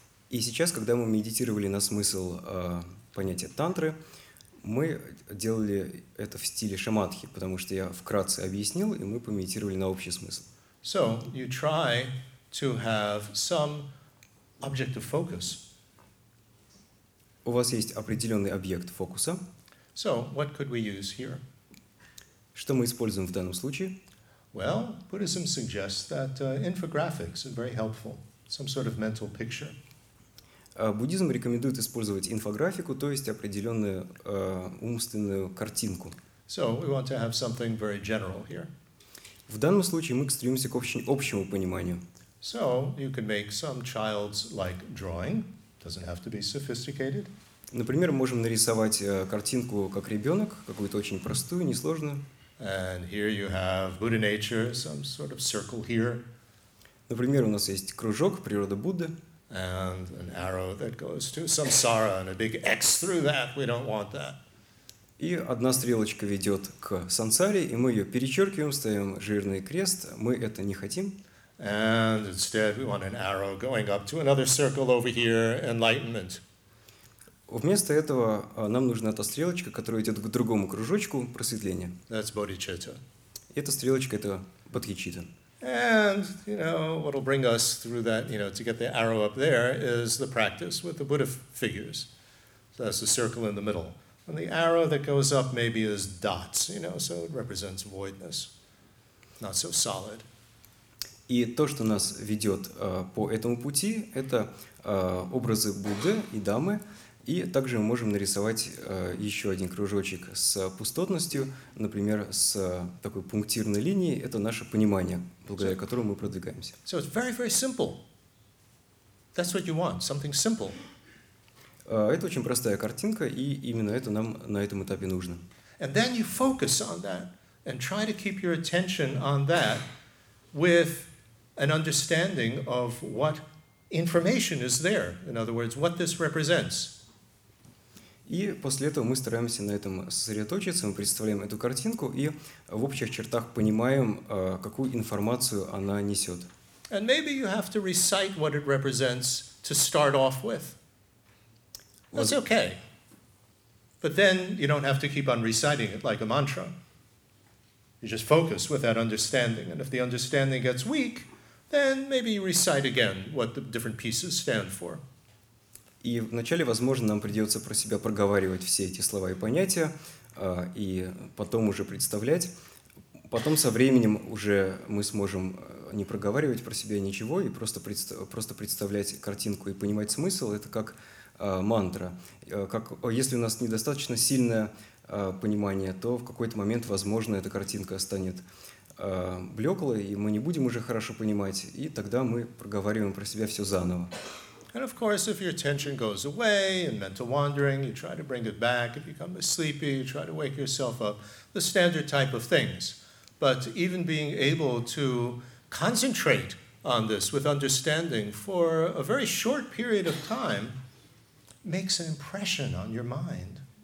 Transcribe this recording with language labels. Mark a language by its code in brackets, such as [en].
[ru] И сейчас, когда мы медитировали на смысл понятия тантры, мы делали это в стиле шамадхи, потому что я вкратце объяснил, и мы помедитировали на общий смысл. [en] So, you try to have some object of focus. [ru] У вас есть определенный объект фокуса. [en] So, what could we use here? [ru] Что мы используем в данном случае? [en] Well, Buddhism suggests that infographics are very helpful, some sort of mental picture. [ru] Буддизм рекомендует использовать инфографику, то есть определенную умственную картинку. [en] So, we want to have something very general here. [ru] В данном случае мы стремимся к очень общему пониманию. [en] So, you can make some child-like drawing. Doesn't have to be sophisticated. [ru] Например, можем нарисовать картинку как ребенок, какую-то очень простую, несложную. [en] And here you have Buddha nature, some sort of circle here. [ru] Например, у нас есть кружок, природа Будды. [en] And an arrow that goes to samsara and a big X through that. We don't want that. [ru] И одна стрелочка ведет к сансаре, и мы ее перечеркиваем, ставим жирный крест. Мы это не хотим. [en] And instead we want an arrow going up to another circle over here, enlightenment. [ru] Вместо этого нам нужна та стрелочка, которая идет к другому кружочку, просветление. [en] That's bodhicitta. [ru] Эта стрелочка – это бодхичитта. [en] And, you know, what will bring us through that, you know, to get the arrow up there is the practice with the Buddha figures. So that's the circle in the middle. And the arrow that goes up maybe is dots, you know, so it represents voidness. Not so solid. [ru] И то, что нас ведет по этому пути, это образы Будды и Дхаммы. И также мы можем нарисовать еще один кружочек с пустотностью, например, с такой пунктирной линией. Это наше понимание, благодаря которому мы продвигаемся. [en] So it's very, very simple. That's what you want, something simple. [ru] Это очень простая картинка, и именно это нам на этом этапе нужно. [en] And then you focus on that and try to keep your attention on that with an understanding of what information is there. In other words, what this represents. [ru] И после этого мы стараемся на этом сосредоточиться, мы представляем эту картинку и в общих чертах понимаем, какую информацию она несет. [en] And maybe you have to recite what it represents to start off with. That's okay. But then you don't have to keep on reciting it like a mantra. You just focus with that understanding. And if the understanding gets weak, then maybe you recite again what the different pieces stand for. [ru] И вначале, возможно, нам придется про себя проговаривать все эти слова и понятия, и потом уже представлять. Потом со временем уже мы сможем не проговаривать про себя ничего и просто представлять картинку и понимать смысл. Это как мантра. Как, если у нас недостаточно сильное понимание, то в какой-то момент, возможно, эта картинка станет блеклой, и мы не будем уже хорошо понимать, и тогда мы проговариваем про себя все заново. [en] And of course, if your attention goes away and mental wandering, you try to bring it back. If you become sleepy, you try to wake yourself up. The standard type of things. But even being able to concentrate on this with understanding for a very short period of time makes an impression on your mind.